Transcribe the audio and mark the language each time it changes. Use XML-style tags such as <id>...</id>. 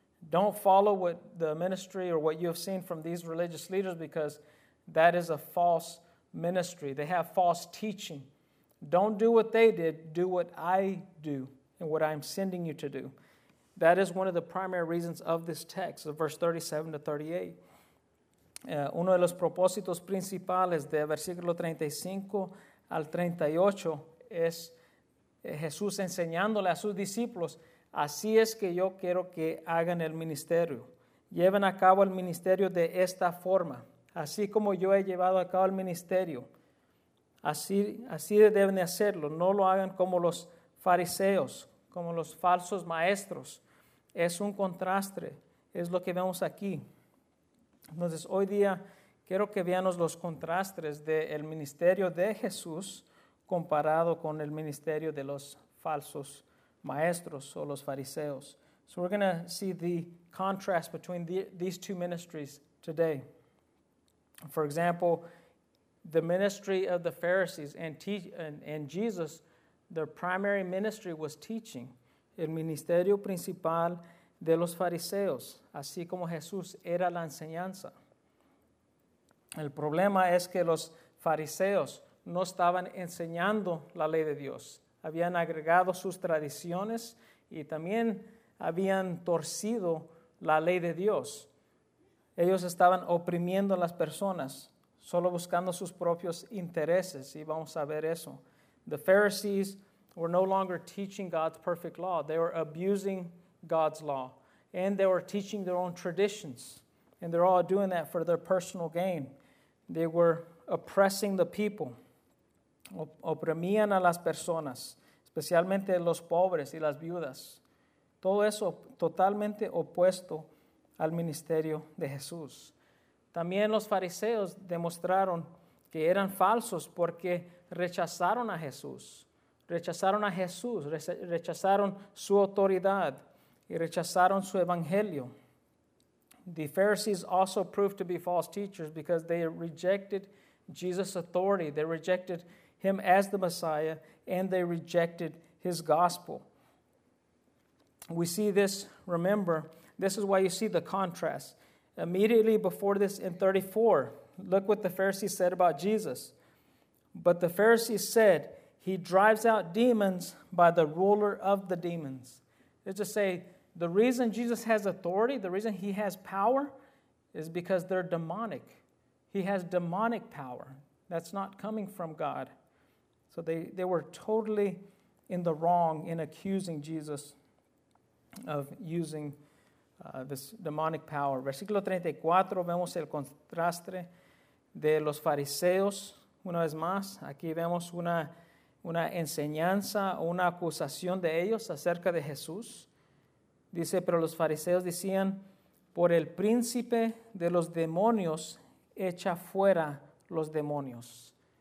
<en>Don't follow what the ministry or what you have seen from these religious leaders, because that is a false ministry. They have false teaching. Don't do what they did, do what I do and what I'm sending you to do. That is one of the primary reasons of this text, of verse 37 to 38.</en> <es>Uno de los propósitos principales de versículo 35 al 38 es Jesús enseñándole a sus discípulos, así es que yo quiero que hagan el ministerio. Lleven a cabo el ministerio de esta forma, así como yo he llevado a cabo el ministerio. Así deben de hacerlo, no lo hagan como los fariseos, como los falsos maestros. Es un contraste, es lo que vemos aquí. Entonces, hoy día quiero que veamos los contrastes del ministerio de Jesús comparado con el ministerio de los falsos maestros o los fariseos.</es> <en>So we're going to see the contrast between these two ministries today. For example, the ministry of the Pharisees and Jesus, their primary ministry was teaching.</en> <es>El ministerio principal de los fariseos, así como Jesús, era la enseñanza. El problema es que los fariseos no estaban enseñando la ley de Dios. Habían agregado sus tradiciones y también habían torcido la ley de Dios. Ellos estaban oprimiendo a las personas, solo buscando sus propios intereses. Y vamos a ver eso.</es> <en>The Pharisees were no longer teaching God's perfect law. They were abusing God's law. And they were teaching their own traditions. And they're all doing that for their personal gain. They were oppressing the people.</en> <es>oprimían a las personas, especialmente los pobres y las viudas. Todo eso totalmente opuesto al ministerio de Jesús. También los fariseos demostraron que eran falsos porque rechazaron a Jesús. Rechazaron a Jesús, rechazaron su autoridad y rechazaron su evangelio.</es> <en>The Pharisees also proved to be false teachers because they rejected Jesus' authority. They rejected him as the Messiah and they rejected his gospel. We see this, remember, this is why you see the contrast. Immediately before this in 34, look what the Pharisees said about Jesus. But the Pharisees said, he drives out demons by the ruler of the demons. It's to say, the reason Jesus has authority, the reason he has power, is because they're demonic. He has demonic power. That's not coming from God. So they were totally in the wrong in accusing Jesus of using this demonic power.</en> <es>Versículo 34, vemos el contraste de los fariseos. Una vez más, aquí vemos una enseñanza o una acusación de ellos acerca de Jesús. Dice, pero los fariseos decían, por el príncipe de los demonios, echa fuera los demonios.</es>